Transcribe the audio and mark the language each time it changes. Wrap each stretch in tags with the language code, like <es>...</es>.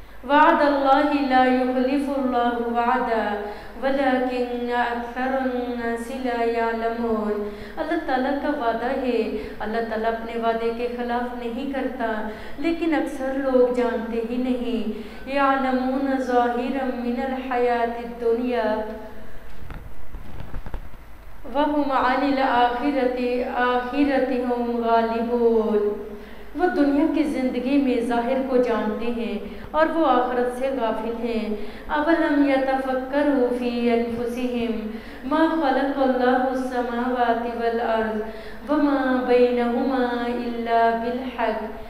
<ar>وعد اللہ لا یخلف اللہ وعدہ ولكن اکثر الناس لا يعلمون.</ar> <ur>اللہ تعالیٰ کا وعدہ ہے, اللہ تعالیٰ اپنے وعدے کے خلاف نہیں کرتا, لیکن اکثر لوگ جانتے ہی نہیں.</ur> <ar>یعلمون ظاہرا من الحیاۃ الدنیا وهم عن الآخرۃ هم غالبون.</ar> <ur>وہ دنیا کی زندگی میں ظاہر کو جانتے ہیں اور وہ آخرت سے غافل ہیں.</ur> <ar>اولم یتفکروا فی انفسہم ما خلق اللہ السماوات والارض وما بینہما الا بالحق.</ar>